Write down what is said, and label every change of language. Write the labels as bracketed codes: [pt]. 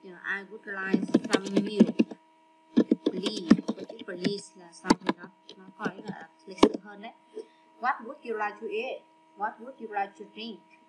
[en] I would like some milk, please. [vi] Và chữ please là sao thì nó có ý là lịch sự hơn đấy. [en] What would you like to eat? What would you like to drink?